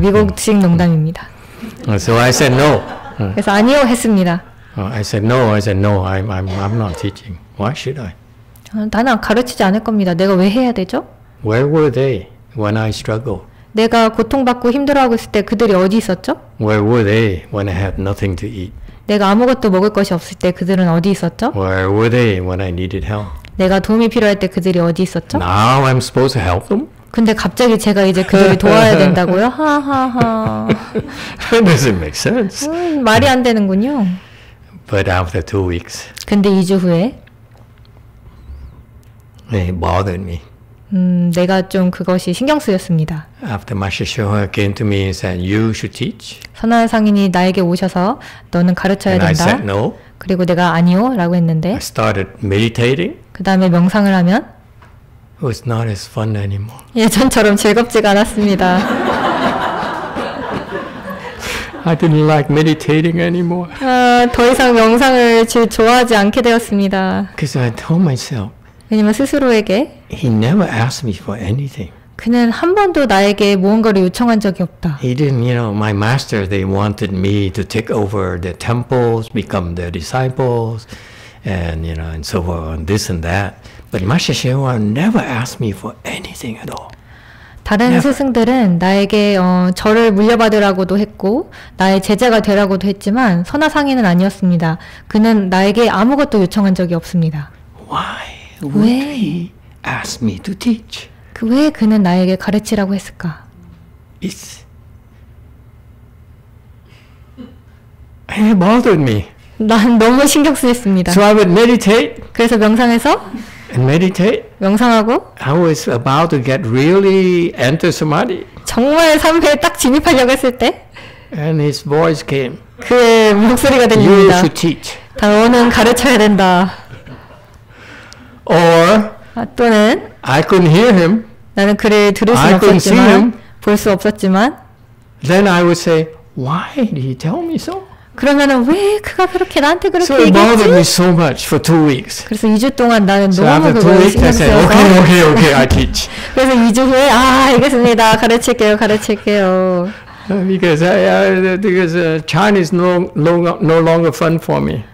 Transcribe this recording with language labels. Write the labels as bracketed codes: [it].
[ko] 미국식 농담입니다. [en] So I said no. [ko] 그래서 아니요 했습니다. [en] I said no. I said no. I'm not teaching. Why should I? [ko] 나는 가르치지 않을 겁니다. 내가 왜 해야 되죠? [en] Where were they when I struggled? [ko] 내가 고통받고 힘들어하고 있을 때 그들이 어디 있었죠? [en] Where were they when I had nothing to eat? [ko] 내가 아무것도 먹을 것이 없을 때 그들은 어디 있었죠? [en] Where were they when I needed help? [ko] 내가 도움이 필요할 때 그들이 어디 있었죠? [en] Now I'm supposed to help them? [ko] 근데 갑자기 제가 이제 그들을 도와야 된다고요? 하하하. [en] Does it make sense? [ko] 말이 안 되는군요. [en] But after 2 weeks. [ko] 근데 2주 후에? [en] It bothered me. [ko] 내가 좀 그것이 신경 쓰였습니다. [en] After Master Shuhua came to me and said, "You should teach." [ko] 선한 상인이 나에게 오셔서 너는 가르쳐야 [en] and [ko] 된다. [en] I said no. [ko] 그리고 내가 아니요라고 했는데. [en] I started meditating. [ko] 그 다음에 명상을 하면. [en] It was not as fun anymore. [ko] 예전처럼 즐겁지가 않았습니다. [en] I didn't like meditating anymore. [ko] 더 이상 명상을 좋아하지 않게 되었습니다. [en] Because I told myself. [ko] 왜냐면 스스로에게 [en] He never asked me for anything. [ko] 그는 한 번도 나에게 무언가를 요청한 적이 없다. [en] He didn't, you know, my master, they wanted me to take over their temples, become their disciples, and, you know, and so on, this and that. But Master Shenhua never asked me for anything at all. [ko] 다른 [en] never. [ko] 스승들은 나에게 저를 물려받으라고도 했고 나의 제자가 되라고도 했지만 선화상인은 아니었습니다. 그는 나에게 아무것도 요청한 적이 없습니다. [en] Why? Would he ask me to teach? [ko] 그 왜 그는 나에게 가르치라고 했을까? [en] It's... It bothered me. [ko] 난 너무 신경 쓰였습니다. [en] So I would meditate. [ko] 그래서 명상해서? [en] And meditate. [ko] 명상하고? [en] I was about to get really enter samadhi. [ko] 정말 삼회에 딱 진입하려고 했을 때? [en] And his voice came. [ko] 그의 목소리가 들립니다. [en] You should teach. [ko] 너는 가르쳐야 된다. [en] Or [ko] 또는 [en] I couldn't hear him. [ko] 나는 그를 들을 수 없었지만 볼 수 없었지만. [en] Then I would say, why did he tell me so? [ko] 그러면은 왜 그가 그렇게 나한테 그렇게 [en] so [ko] 얘기했지? [en] So it bothered me so much for 2 weeks. [ko] 그래서 2주 동안 나는 [en] so [ko] 너무 그걸 신경 쓰여서. [en] Okay, okay, okay, I teach. [ko] 그래서 2주 후에 아 알겠습니다. 가르칠게요, 가르칠게요. [en] Because Chinese no longer fun for me.